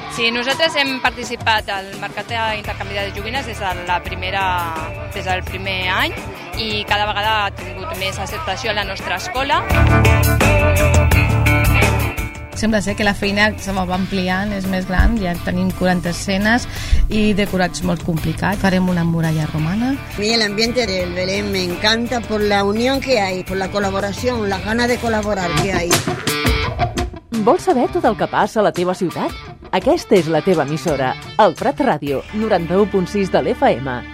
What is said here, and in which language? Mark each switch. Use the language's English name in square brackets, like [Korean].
[Catalan] Sí, nosaltres hem participat al mercat d'intercanvi de joguines des del primer any i cada vegada ha tingut més acceptació a la nostra escola. Sembla ser que la feina se va ampliant, és més gran, ja tenim 40 escenes i decorats molt complicats. Farem una muralla romana. [Spanish] A mi l'ambiente del Belén me encanta por la unión que hay, por la colaboración, la gana de colaborar que hay. [Catalan] Vols saber tot el que passa a la teva ciutat? Aquesta és la teva emissora, el Prat Ràdio, 91.6 de l'FM.